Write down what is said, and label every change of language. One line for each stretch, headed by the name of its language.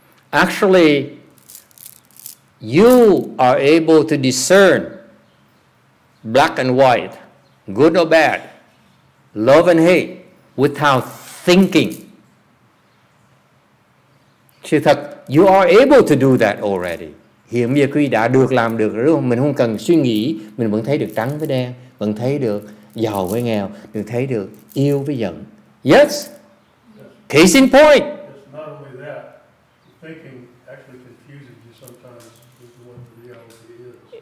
English: Actually, you are able to discern black and white, good or bad, love and hate, without thinking.
Vietnamese: Chứ thật,
English: you are able to do that already.
Vietnamese: Hiện bây giờ quý đã được làm được rồi, mình không cần suy nghĩ, mình vẫn thấy được trắng với đen. Vẫn thấy được giàu với nghèo, được thấy được yêu với giận.
English: Yes? Case in point. It's not only that. Thinking actually confuses you sometimes with what the reality is.